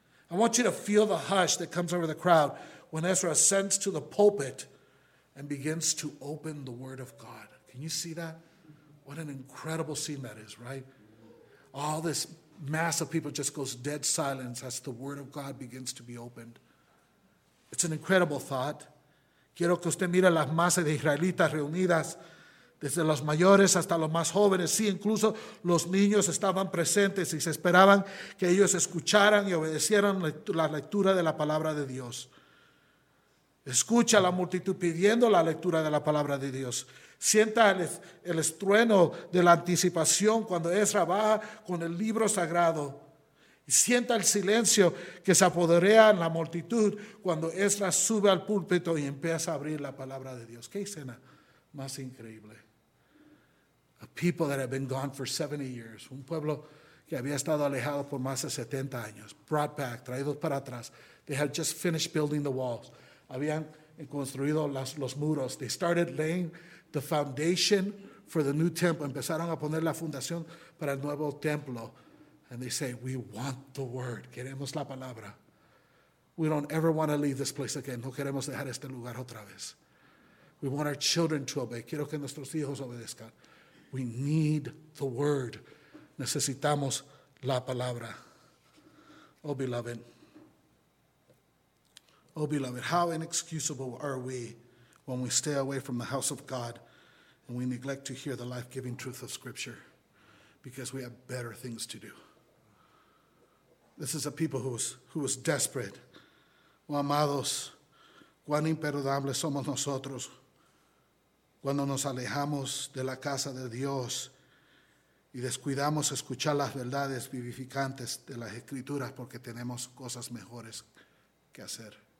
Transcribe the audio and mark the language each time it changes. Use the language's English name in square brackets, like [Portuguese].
[English] I want you to feel the hush that comes over the crowd when Ezra ascends to the pulpit and begins to open the word of God. Can you see that? What an incredible scene that is, right? All this mass of people just goes dead silence as the word of God begins to be opened. It's an incredible thought. [Spanish] Quiero que usted mire las masas de israelitas reunidas, desde los mayores hasta los más jóvenes. Sí, incluso los niños estaban presentes y se esperaban que ellos escucharan y obedecieran la lectura de la palabra de Dios. Escucha a la multitud pidiendo la lectura de la palabra de Dios. Sienta el estruendo de la anticipación cuando Ezra va con el libro sagrado. Sienta el silencio que se apodera en la multitud cuando Ezra sube al púlpito y empieza a abrir la palabra de Dios. ¿Qué escena más increíble? [English] A people that had been gone for 70 years. [Spanish] Un pueblo que había estado alejado por más de 70 años. [English] Brought back, [Spanish] traídos para atrás. [English] They had just finished building the walls. [Spanish] Habían construido los muros. [English] They started laying the foundation for the new temple. [Spanish] Empezaron a poner la fundación para el nuevo templo. [English] And they say, we want the word. [Spanish] Queremos la palabra. [English] We don't ever want to leave this place again. [Spanish] No queremos dejar este lugar otra vez. [English] We want our children to obey. [Spanish] Quiero que nuestros hijos obedezcan. [English] We need the word. [Spanish] Necesitamos la palabra. [English] Oh, beloved, how inexcusable are we when we stay away from the house of God and we neglect to hear the life-giving truth of Scripture because we have better things to do. This is a people who was desperate. [Spanish] Oh, amados, cuán imperdonables somos nosotros cuando nos alejamos de la casa de Dios y descuidamos escuchar las verdades vivificantes de las Escrituras porque tenemos cosas mejores que hacer.